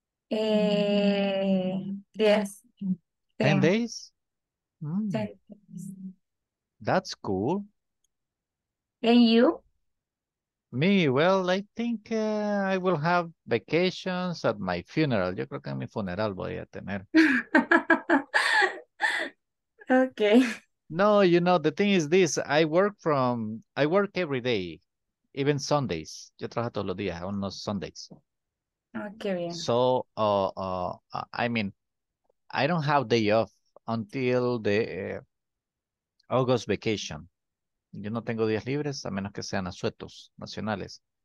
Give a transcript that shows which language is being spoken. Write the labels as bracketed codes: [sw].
[en] 10. 10 days? Ten. That's cool. And you? Me? Well, I think I will have vacations at my funeral. [es] Yo creo que en mi funeral voy a tener. [en] Okay. No, you know, the thing is this. I work every day. Even Sundays. [es] Yo trabajo todos los días, aún los Sundays. Okay, bien. [en] So, I mean, I don't have day off until the August vacation. [es] Yo no tengo días libres, a menos que sean asuetos nacionales.